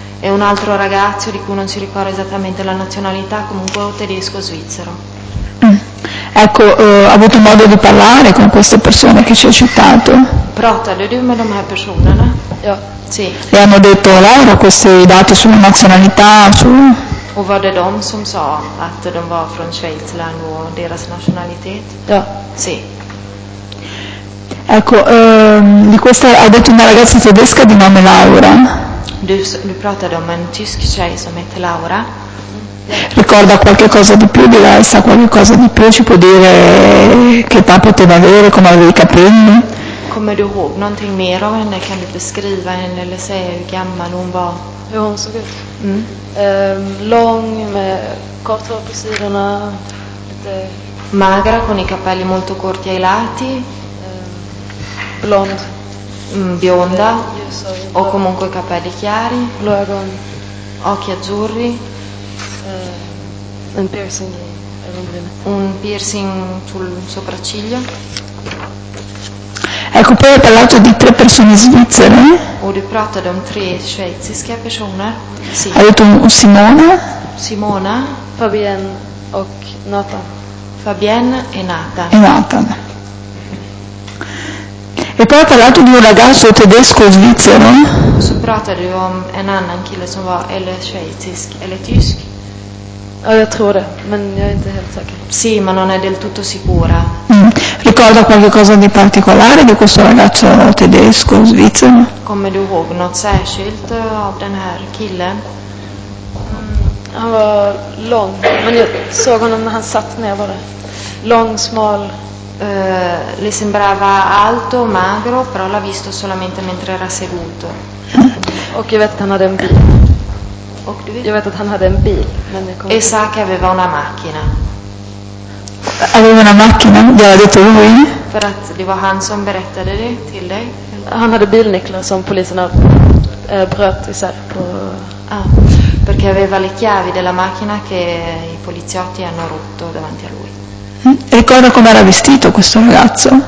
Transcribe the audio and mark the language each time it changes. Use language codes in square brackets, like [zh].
[it] E un altro ragazzo di cui non si ricorda esattamente la nazionalità, comunque tedesco o svizzero. Ecco, ha avuto modo di parlare con queste persone che ci ha citato? [sv] Pratade du med de här personerna? Ja. [it] Sì. Le hanno detto loro questi dati sulla nazionalità? Su... [sv] O var det de som sa att de var från Schweiz o deras nationalitet? Ja. [it] Sì. Ecco, di questa ha detto una ragazza tedesca di nome Laura. [sv] Du pratade om en tysk tjej som heter Laura. [it] Ricorda qualche cosa di più di lei, sa qualcosa di più, ci può dire che età poteva avere, come aveva i capelli? [sv] Kommer du ihåg någonting mer av henne? Kan du beskriva henne eller säga hur gammal hon var? Hur hon såg ut? Lång, med kort hår på sidorna, lite... [it] Magra, con i capelli molto corti ai lati. [sv] Blond. [it] Bionda. O comunque capelli chiari. [sv] Blu ögon. [it] Occhi azzurri. Un piercing. Un piercing sul sopracciglio. Ecco, poi hai parlato di tre persone svizzere. [sv] O du pratade om tre schweiziske personer. [it] Sì. Hai detto Simona. [sv] Fabienne och Nathan. [it] Fabienne e Nathan. E Nathan. E poi ha parlato di un ragazzo tedesco svizzero. [sv] Så pratade du om en annan kille som var eller schweizisk eller tysk? Ja, jag tror det, men jag är inte helt säker. [it] Sì, ma non è del tutto sicura. Ricorda qualcosa di particolare di questo ragazzo tedesco svizzero? [sv] Kommer du ihåg något särskilt av den här killen? Han var lång, men jag såg honom när han satt ner bara. Lång, smal. [it] Le sembrava alto, magro, però l'ha visto solamente mentre era seduto. [sv] Och jag vet att han hade en bil. Och du vet? Jag vet att han hade en bil. Men [it] e sa che aveva una macchina. Aveva una macchina? Gli ha detto lui? [sv] För att det var han som berättade det till dig. Han hade bilnycklar som poliserna bröt isär på. [it] Perché aveva le chiavi della macchina che i poliziotti hanno rotto davanti a lui. Ricorda come era vestito questo ragazzo?